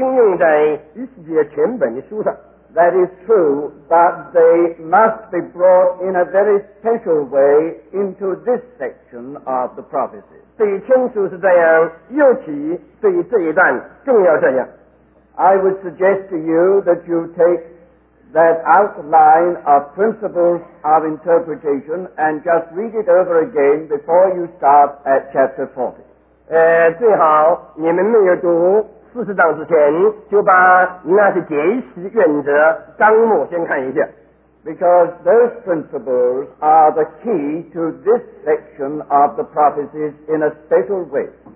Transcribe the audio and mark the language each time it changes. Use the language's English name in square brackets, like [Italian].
[Chinese] 我们一定说过那些原则能应用在以西结全本的书上。 [English] That is true, but they must be brought in a very special way into this section of the prophecies. [Chinese] 对清楚是这样，尤其对于这一段更要这样。 [English] I would suggest to you that you take that outline of principles of interpretation and just read it over again before you start at chapter 40. [Chinese] 最好你们没有读。 40章之前就把那些解释原则纲目先看一下。 [English] Because those principles are the key to this section of the prophecies in a special way.